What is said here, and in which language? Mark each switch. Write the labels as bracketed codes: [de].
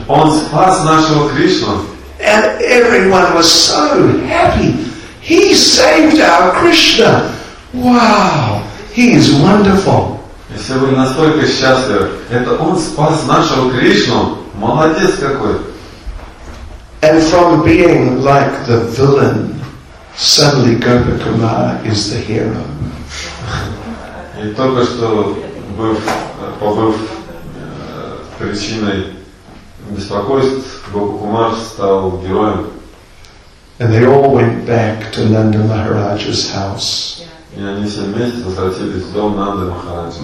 [ru] Он спас нашего Кришну. [en] And everyone was so happy. He saved our Krishna. Wow, he is wonderful. [ru] И все были настолько счастливы. Это он спас нашего Кришну. Молодец какой. [en] And from being like the villain, suddenly Gopakumara is the hero. [ru] И только что побыв причиной беспокойств, Гопакумара стал героем. [en] And they all went back to Nanda Maharaja's house. [ru] И они все вместе возвратились в дом Нанды Махараджи.